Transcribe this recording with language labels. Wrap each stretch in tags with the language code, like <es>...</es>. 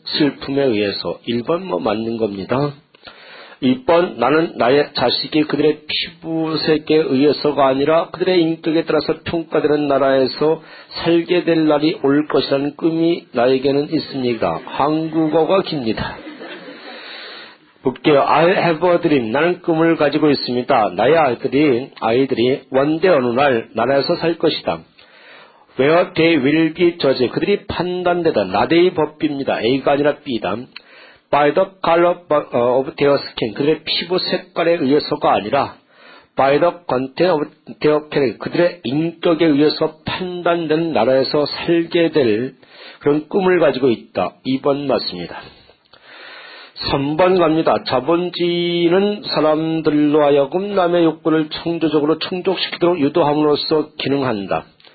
<ko>슬픔에 의해서. 1번 뭐 맞는 겁니다. 2번 나는 나의 자식이 그들의 피부색에 의해서가 아니라 그들의 인격에 따라서 평가되는 나라에서 살게 될 날이 올 것이라는 꿈이 나에게는 있습니다. 한국어가 깁니다. 볼게요.</ko> <en>I have a dream.</en> <ko>나는 꿈을 가지고 있습니다. 나의 아이들이</ko> <en>one day</en> <ko>어느 날 나라에서 살 것이다.</ko> <en>Where they will be judged.</en> <ko>그들이 판단되다. 나대의 법비입니다. A가 아니라 B다.</ko> <en>By the color of their skin.</en> <ko>그들의 피부 색깔에 의해서가 아니라</ko> <en>By the content of their character.</en> <ko>그들의 인격에 의해서 판단된 나라에서 살게 될 그런 꿈을 가지고 있다. 2번 맞습니다. 3번 갑니다. 자본주의는 사람들로 하여금 남의 욕구를 창조적으로 충족시키도록 유도함으로써 기능한다.</ko>